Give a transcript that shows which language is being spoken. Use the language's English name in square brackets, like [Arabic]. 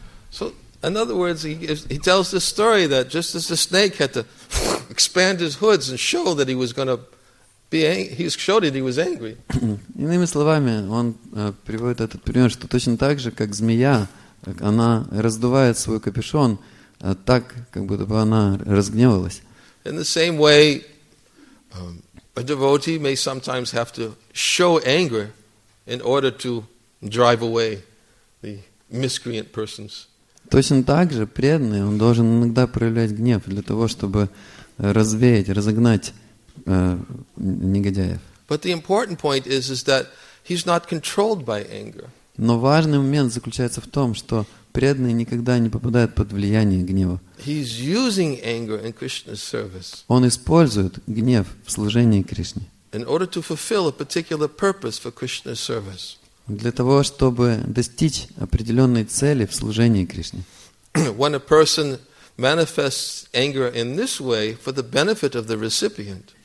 [English] So, in other words, he tells this story that just as the snake had to expand his hoods and show that he was going to be angry, he showed that he was angry. [Russian] Иными словами, он приводит этот пример, что точно так же, как змея, она раздувает свой капюшон так, как будто бы она разгневалась. [English] In the same way, a devotee may sometimes have to show anger in order to drive away the miscreant persons. [Russian] Точно так же преданный, он должен иногда проявлять гнев для того, чтобы развеять, разогнать негодяев. [English] But the important point is that he's not controlled by anger. [Russian] Но важный момент заключается в том, что преданный никогда не попадает под влияние гнева. [English] He's using anger in Krishna's service. [Russian] Он использует гнев в служении Кришне. [English] In order to fulfill a particular purpose for Krishna's service. [Russian] Для того, чтобы достичь определенной цели в служении Кришне. [English] When a person manifests anger in this way for the benefit of the recipient.